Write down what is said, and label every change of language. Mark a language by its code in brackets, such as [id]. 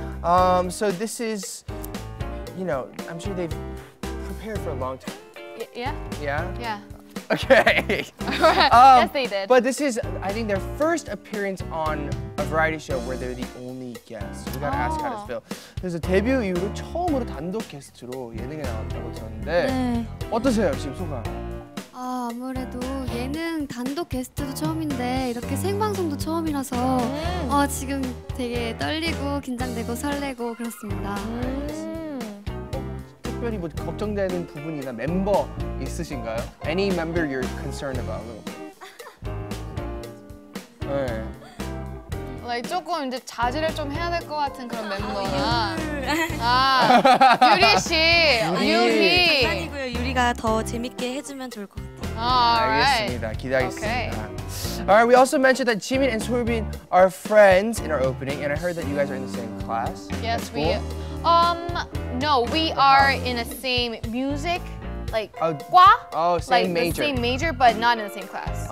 [en] So this is, you know, I'm sure they've prepared for a long time. Yeah. Okay. yes, they did. But this is, I think, their first appearance on a variety show where they're the only guests. We gotta ask how to feel. [ko] 그래서 데뷔 이후로 처음으로 단독 게스트로 예능에 나왔다고 들었는데 네. 어떠세요, 지금 소감? 아무래도 예능 단독 게스트도 처음인데 이렇게 생방송도 처음이라서 지금 되게 떨리고 긴장되고 설레고 그렇습니다. 특별히 뭐 걱정되는 부분이나 멤버 있으신가요? [en] Any member you're concerned about? 네. [ko] Like 조금 이제 자제를 좀 해야 될 것 같은 그런 멤버나 유리 씨, 유희. 장난이고요. 유리가 더 재밌게 해주면 좋을 것 같아요. [en] Alright. 기대하겠습니다. Okay. Alright, we also mentioned that Jimin and Soobin are friends in our opening, and I heard that you guys are in the same class. Yes, we. No, we are in the same music, like, same major. The same major, but not in the same class.